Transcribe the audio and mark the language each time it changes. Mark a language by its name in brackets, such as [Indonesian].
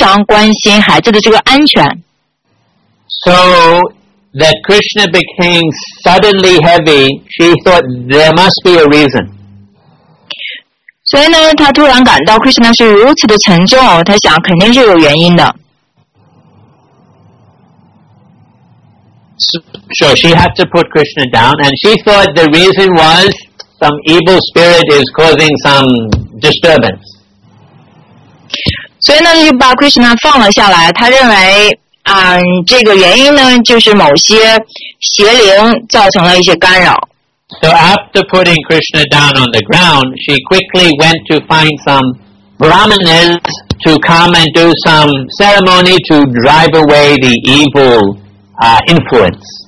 [Chinese] 大家记住，这亚瑟的妈妈是母亲。母亲的话呢，一般总是非常关心孩子的这个安全。 [English] So that Krishna became suddenly heavy, she thought there must be a reason. [Chinese] 所以呢，她突然感到Krishna是如此的沉重，她想肯定是有原因的。 [English] So she had to put Krishna down, and she thought the reason was some evil spirit is causing some disturbance. [Chinese] 所以呢，就把Krishna放了下来。他认为，这个原因呢，就是某些邪灵造成了一些干扰。 [English] So after putting Krishna down on the ground, she quickly went to find some brahmanas to come and do some ceremony to drive away the evil influence.